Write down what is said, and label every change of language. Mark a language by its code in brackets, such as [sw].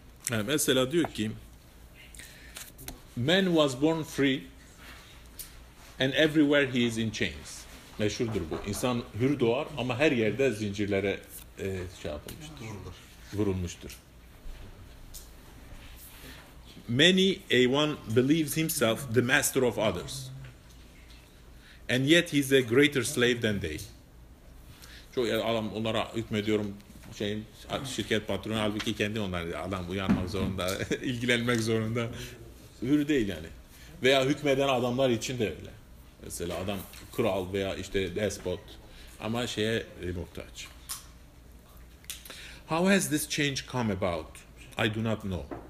[tr] Yani mesela diyor ki, [en] man was born free and everywhere he is in chains. [tr] Meşhurdur bu. İnsan hür doğar ama her yerde zincirlere şey yapılmıştır. Vurulmuştur. [en] Many a one believes himself the master of others. And yet he is a greater slave than they. [tr] Çok yani adam onlara hükmediyorum. Şey, şirket patronu, halbuki kendi onlar, adam uyanmak zorunda, ilgilenmek zorunda. Hür değil yani. Veya hükmeden adamlar için de öyle. Mesela adam kral veya işte despot Ama şeye muhtaç. [en] How has this change come about? I do not know.